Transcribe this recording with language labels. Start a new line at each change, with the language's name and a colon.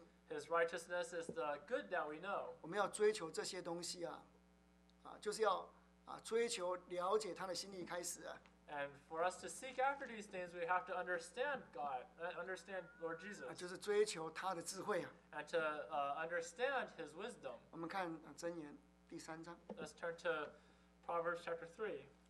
English: His righteousness is the good that we know.
Chinese: 我们要追求这些东西啊，就是要追求了解他的心意开始。
English: And for us to seek after these things, we have to understand God, understand Lord Jesus.
Chinese: 就是追求他的智慧啊。
English: And to understand his wisdom.
Chinese: 我们看箴言第3章。
English: Let's turn to Proverbs chapter 3.